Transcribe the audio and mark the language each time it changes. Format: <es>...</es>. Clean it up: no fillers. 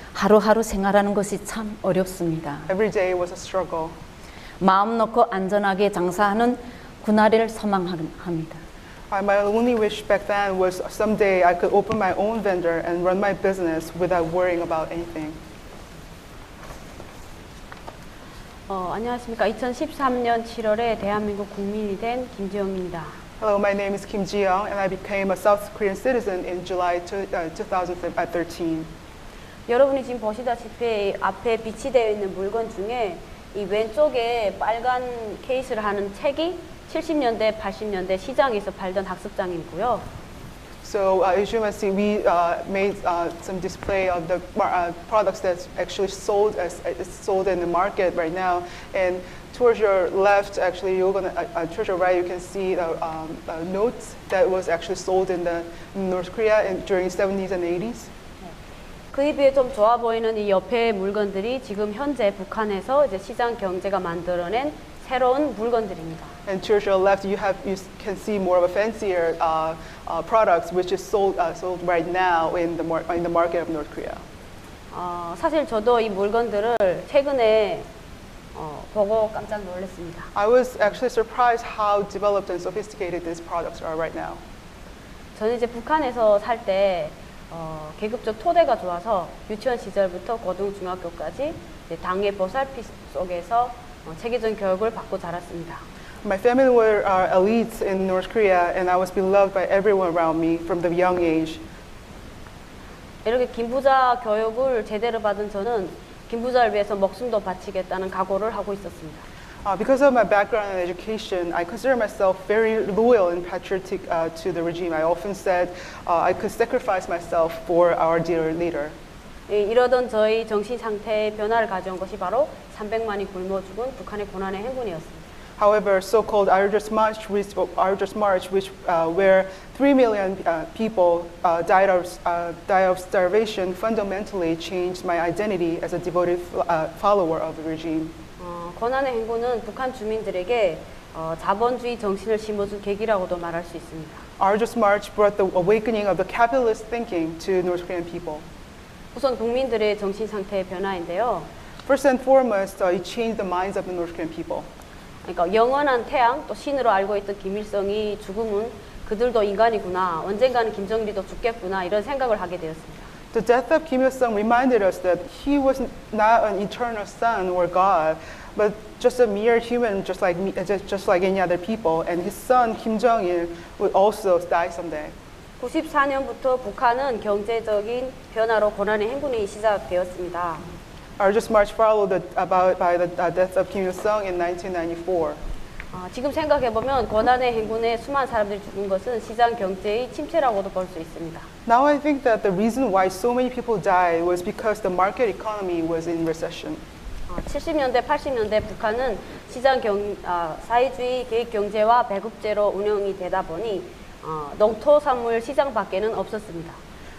<ko>하루하루 생활하는 것이 참 어렵습니다.</ko> <en>Every day was a struggle.</en> <ko>마음 놓고 안전하게 장사하는 군아리를 소망합니다.</ko> <en>My only wish back then was someday I could open my own vendor and run my business without worrying about anything.</en> <ko>안녕하십니까. 2013년 7월에 대한민국 국민이 된 김지영입니다.</ko> <en>Hello, my name is Kim Ji-young and I became a South Korean citizen in July 2013.</en> <ko>여러분이 지금 보시다시피 앞에 비치되어 있는 물건 중에 이 왼쪽에 빨간 케이스를 하는 책이 70년대, 80년대 시장에서 팔던 학습장이고요.</ko> <en>So as you may see, we made some display of the products that's actually sold as it's sold in the market right now. And towards your left, actually, you're gonna towards your right, you can see the notes that was actually sold in the North Korea in, during 70s and 80s.</en> <ko>그에 비해 좀 좋아 보이는 이 옆에 물건들이 지금 현재 북한에서 이제 시장 경제가 만들어낸 새로운 물건들입니다.</ko> <en>And towards your left, you have you can see more of a fancier products which is sold sold right now in the market of North Korea.</en> <ko>사실 저도 이 물건들을 최근에 보고 깜짝 놀랐습니다.</ko> <en>I was actually surprised how developed and sophisticated these products are right now.</en> <ko>저는 이제 북한에서 살 때 계급적 토대가 좋아서 유치원 시절부터 고등중학교까지 당의 보살핌 속에서 체계적인 교육을 받고 자랐습니다.</ko> <en>My family were elites in North Korea, and I was beloved by everyone around me from the young age.</en> <ko>이렇게 김부자 교육을 제대로 받은 저는 김부자를 위해서 목숨도 바치겠다는 각오를 하고 있었습니다.</ko> <en>Because of my background in education, I consider myself very loyal and patriotic to the regime. I often said I could sacrifice myself for our dear leader.</en> <ko>이러던 저희 정신 상태의 변화를 가져온 것이 바로 300만이 굶어 죽은 북한의 고난의 행군이었습니다.</ko> <en>However, so-called Arjus March, which where 3 million people died of starvation, fundamentally changed my identity as a devoted follower of the regime.</en> <ko>고난의 행군은 북한 주민들에게 자본주의 정신을 심어준 계기라고도 말할 수 있습니다.</ko> <en>Arjus March brought the awakening of the capitalist thinking to North Korean people.</en> <ko>우선 국민들의 정신 상태의 변화인데요.</ko> <en>First and foremost, it changed the minds of the North Korean people.</en> <ko>그러니까 영원한 태양 또 신으로 알고 있던 김일성이 죽음은 그들도 인간이구나. 언젠가는 김정일도 죽겠구나 이런 생각을 하게 되었습니다.</ko> <en>The death of Kim Il-sung reminded us that he was not an eternal son or god, but just a mere human just like me, just like any other people and his son Kim Jong-il would also die someday.</en> <ko>94년부터 북한은 경제적인 변화로 고난의 행군이 시작되었습니다.</ko> <en>Arjus March followed by the death of Kim Il-sung in 1994.</en> <ko>지금 생각해보면 고난의 행군에 수많은 사람들이 죽은 것은 시장 경제의 침체라고도 볼 수 있습니다.</ko> <en>Now I think that the reason why so many people died was because the market economy was in recession.</en> <ko>70년대, 80년대 북한은 시장 사회주의 계획 경제와 배급제로 운영이 되다 보니 농토산물 시장 밖에는 없었습니다.</ko>